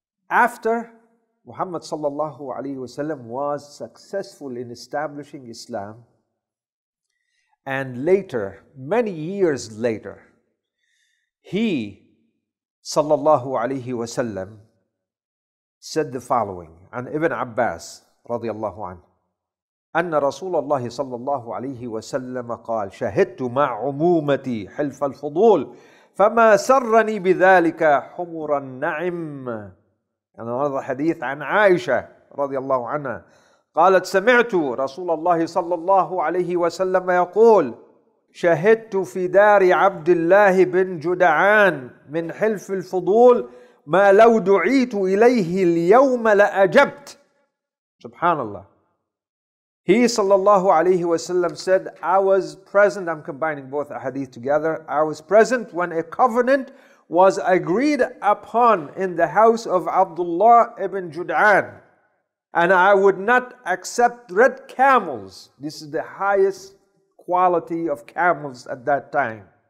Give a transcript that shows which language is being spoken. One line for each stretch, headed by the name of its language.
Arabic: After Muhammad sallallahu alayhi wasallam was successful in establishing Islam, and later, many years later, he sallallahu alayhi wasallam said the following عن Ibn Abbas رضي الله عنه أن رسول الله صلى الله عليه وسلم قال شهدت مع عمومتي حلف الفضول فما سرني بذلك حمر النعم. And another hadith عن عائشة رضي الله عنها قالت سمعت رسول الله صلى الله عليه وسلم يقول شهدت في دار عبد الله بن جدعان من حلف الفضول ما لو دعيت إليه اليوم لأجبت. Subhanallah.
English: He sallallahu alayhi wasallam said, I was present, I'm combining both ahadith together. I was present when a covenant was agreed upon in the house of Abdullah ibn Jud'an. And I would not accept red camels. This is the highest quality of camels at that time.